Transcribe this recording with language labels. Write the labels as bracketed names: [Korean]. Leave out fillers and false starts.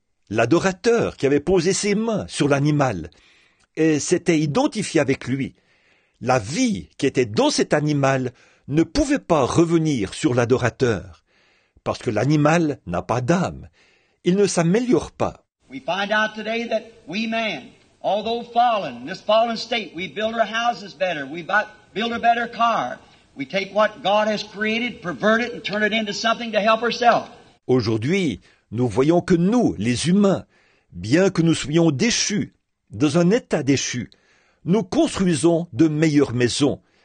[French] l'adorateur qui avait posé ses mains sur l'animal et s'était identifié avec lui, la vie qui était dans cet animal ne pouvait pas revenir sur l'adorateur, parce que l'animal n'a pas d'âme, il ne s'améliore pas. [English] We find out today that we man, although fallen, in this fallen state, we build our houses better, we build a better car, we take what God has created, pervert it and turn it into something to help ourselves. [French] Aujourd'hui, nous voyons que nous, les humains, bien que nous soyons déchus, dans un état déchu, nous construisons de meilleures maisons.